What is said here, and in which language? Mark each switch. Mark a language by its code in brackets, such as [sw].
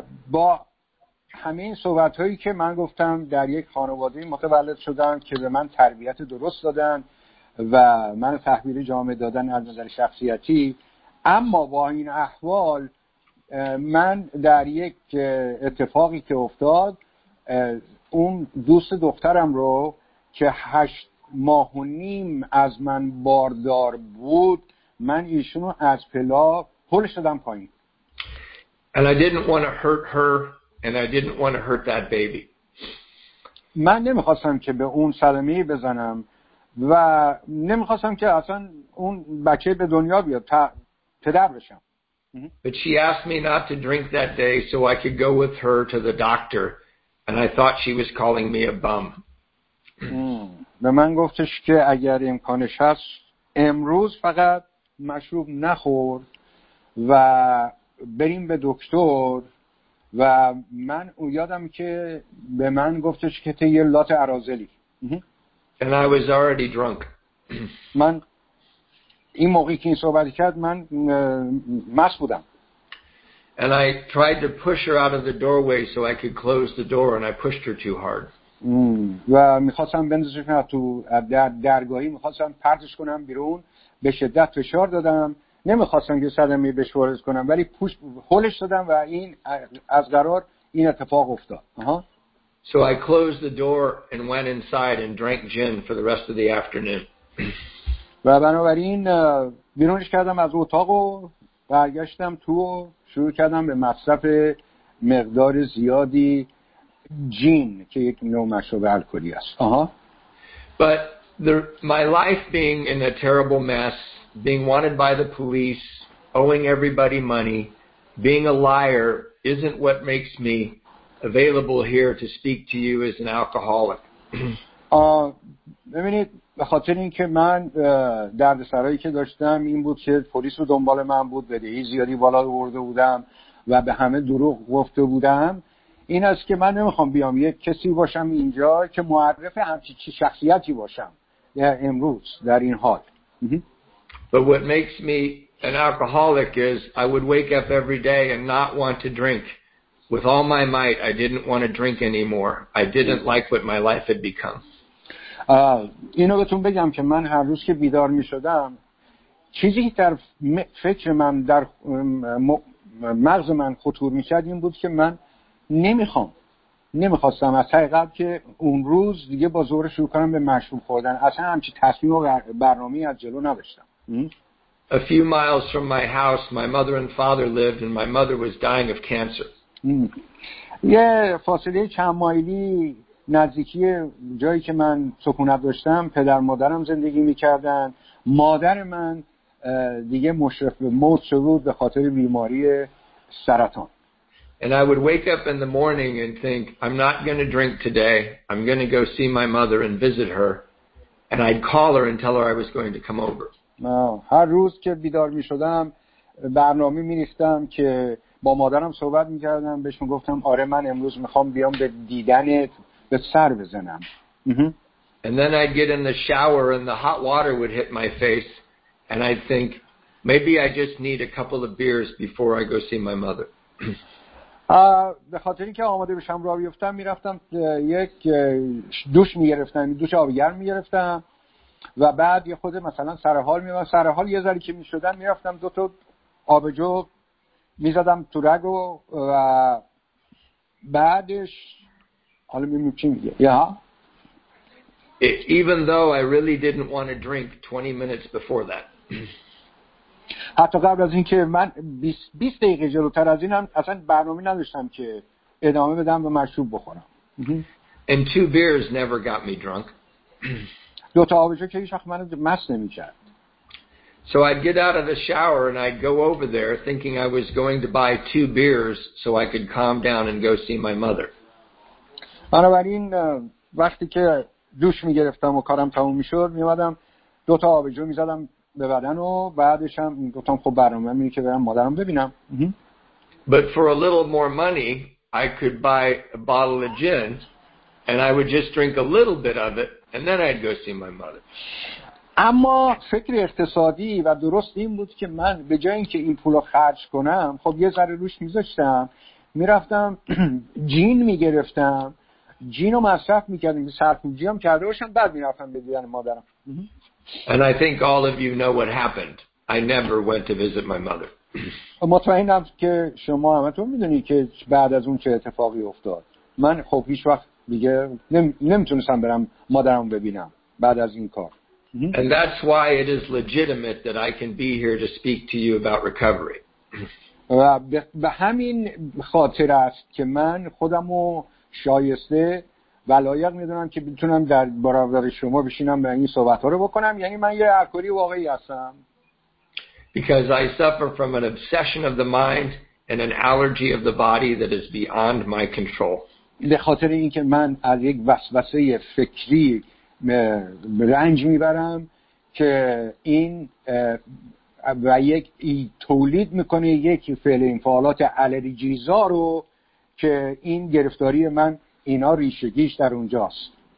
[fa] با همه این صحبت‌هایی که من گفتم، در یک خانواده متولد شدم که به من تربیت درست دادن و من تحویل جامعه دادن از نظر شخصیتی، اما با این احوال من در یک اتفاقی که افتاد، اون دوست دخترم رو که 8.5 ماه از من باردار بود، من ایشونو از پلا هل شدم پایین. [en] And I didn't want to hurt her and I didn't want to hurt that baby. [fa] من نمیخواستم که به اون صدمه بزنم و نمیخواستم که اصلا اون بچه به دنیا بیاد، پدر بشم. [en] But she asked me not to drink that day so I could go with her to the doctor and I thought she was calling me a bum. [fa] به من گفتش که اگر امکانش هست امروز فقط مشروب نخور و بریم به دکتر، و من یادم که به من گفتش که یه لات عرازلی. [en] And I was already drunk. [fa] من این موقعی که این صحبت کرد من مست بودم. [en] And I tried to push her out of the doorway so I could close the door and I pushed her too hard. [fa] و می‌خواستم بندازمش تو درگاهی، می‌خواستم پرتش کنم بیرون، به شدت فشار دادم، نمی‌خواستم که صدمه بهش وارد کنم، ولی پوش هولش دادم و این از قرار این اتفاق افتاد. [en] So I closed the door and went inside and drank gin for the rest of the afternoon. [fa] و بنابراین بیرونش کردم از اتاق و برگشتم تو و شروع کردم به مصرف مقدار زیادی جین که یک نوع مشروب الکلی است. [en] But my life being in a terrible mess, being wanted by the police, owing everybody money, being a liar isn't what makes me available here to speak to you as an alcoholic. [fa] ببینید به خاطر اینکه من دردسرایی که داشتم این بود که پلیس رو دنبال من بود، بدهی زیادی بالا آورده بودم و به همه دروغ گفته بودم، این است که من نمیخوام بیام یک کسی باشم اینجا که معرف همچی شخصیتی باشم در امروز در این حال. [en] But what makes me an alcoholic is I would wake up every day and not want to drink. With all my might, I didn't want to drink anymore. I didn't like what my life had become. [fa] اینو بهتون بگم که من هر روز که بیدار می شدم چیزی که در فکر من در مغز من خطور می شد این بود که من نمیخواستم از حقیقت که اون روز دیگه با زور شروع کنم به مشروب خوردن. اصلا همچی تصمیم و برنامه از جلو نداشتم. [en] A few miles from my house, my mother and father lived and my mother was dying of cancer. [fa] یه فاصله چند مایلی نزدیکی جایی که من سکونت داشتم پدر مادرم زندگی میکردن. مادر من دیگه مشرف به موت شده بود به خاطر بیماری سرطان. [en] And I would wake up in the morning and think, I'm not going to drink today. I'm going to go see my mother and visit her. And I'd call her and tell her I was going to come over. [fa] هر روز که بیدار می شدم برنامه می نیستم که با مادرم صحبت می کردم بهشون گفتم آره من امروز می خوام بیام به دیدنت به سر بزنم. [en] And then I'd get in the shower and the hot water would hit my face. And I'd think, maybe I just need a couple of beers before I go see my mother. [fa] به خاطر اینکه آماده بشم راه بیفتم میرفتم یک دوش میگرفتم، دوش آب گرم میگرفتم و بعد یه خود مثلا سرحال میمونم، سرحال یه ذره که میشدم میرفتم دو تا آبجو میزدم تو رگ و بعدش حالا میمونم چی میگه. [en] Even though I really didn't want to drink 20 minutes before that. [fa] حتی قبل از اینکه من 20 دقیقه جلوتر از اینم اصلا برنامه نداشتم که ادامه بدم و مشروب بخورم. [en] And two beers never got me drunk. [fa] دو تا آبجو که هیچ وقت منو مست نمی‌کرد. [en] So I'd get out of the shower and I'd go over there thinking I was going to buy two beers so I could calm down and go see my mother. [fa] بنابراین وقتی که دوش می‌گرفتم و کارم تموم می‌شد می‌اومدم دو تا آبجو می‌زدم به بدن و بعدش هم گفتم خب برنامه اینه که برم مادرم ببینم. [en] But for a little more money I could buy a bottle of gin and I would just drink a little bit of it and then I'd go see my mother. [fa] اما فکر اقتصادی و درست این بود که من به جای اینکه این پولو خرج کنم خب یه ذره روش میذاشتم میرفتم جین میگرفتم جینو مصرف میکردم که سرپوجی هم کرده باشم بعد میرفتم به دیدن مادرم. [en] And I think all of you know what happened. I never went to visit my mother. [fa] مطمئنم که شما همتون میدونید که بعد از اون چه اتفاقی افتاد. من خب هیچ وقت دیگه نمیتونستم برم مادرم ببینم بعد از این کار. [en] And that's why it is legitimate that I can be here to speak to you about recovery. [fa] و به همین خاطر است که من خودمو شایسته و لایق میدونم که بتونم در برابر شما بشینم و این صحبت ها رو بکنم. یعنی من یه الکلی واقعی هستم. [en] Because I suffer from an obsession of the mind and an allergy of the body that is beyond my control. [fa] به خاطر اینکه من از یک وسوسه فکری رنج میبرم که این و یک تولید میکنه یک فعل انفعالات الرژیزا رو که این گرفتاری من اینا ریشگیش در اونجاست.